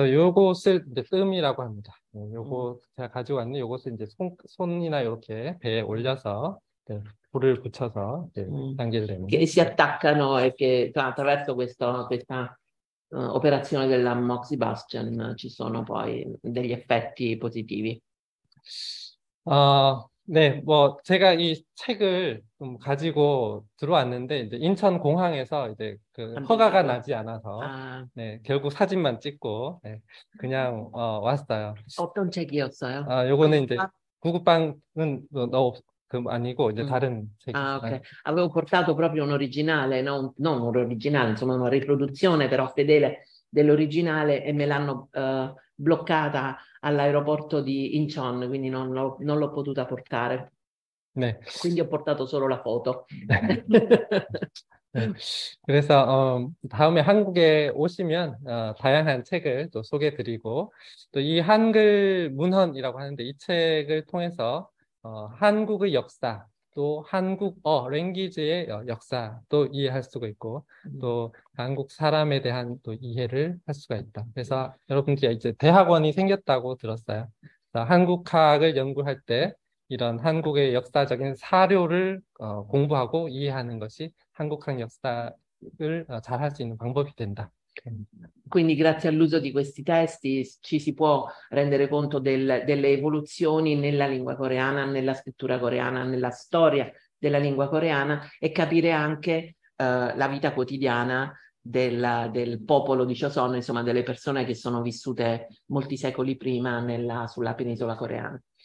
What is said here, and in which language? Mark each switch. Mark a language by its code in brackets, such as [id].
[ko] 요것을 이제 뜸이라고 합니다. 요거 제가 가지고 왔는데 요것을 이제 손이나 이렇게 배에 올려서 불을 붙여서 당기려면 [it] che si attaccano e che attraverso questa operazione della moxibustion ci sono poi degli effetti positivi. [ko] 네, 뭐 제가 이 책을 좀 가지고 들어왔는데 이제 인천 공항에서 이제 그 허가가 나지 않아서 네, 결국 사진만 찍고 네, 그냥 왔어요. 어떤 책이었어요? 요거는 이제 구급방은 아니고 이제 다른 책이에요. 오케이. [it] Avevo portato proprio un originale, non un originale, insomma una riproduzione però fedele dell'originale e me l'hanno bloccata all'aeroporto di Incheon, quindi non l'ho potuta portare. [ko] 네. 그래서 [it] ho portato solo la foto. [ko] 그래서 다음에 한국에 오시면 다양한 책을 또 소개해 드리고 또 이 한글 문헌이라고 하는데 이 책을 통해서 한국의 역사 또 한국어 랭귀지의 역사 또 이해할 수가 있고 또 한국 사람에 대한 또 이해를 할 수가 있다. 그래서 여러분들이 이제 대학원이 생겼다고 들었어요. 한국학을 연구할 때 이런 한국의 역사적인 사료를 공부하고 이해하는 것이 한국학 역사를 잘할 수 있는 방법이 된다. [it] Quindi grazie all'uso di questi testi ci si può rendere conto delle evoluzioni nella lingua coreana, nella scrittura coreana, nella storia della lingua coreana e capire anche la vita quotidiana del popolo di Joseon, insomma delle persone che sono vissute molti secoli prima sulla penisola coreana.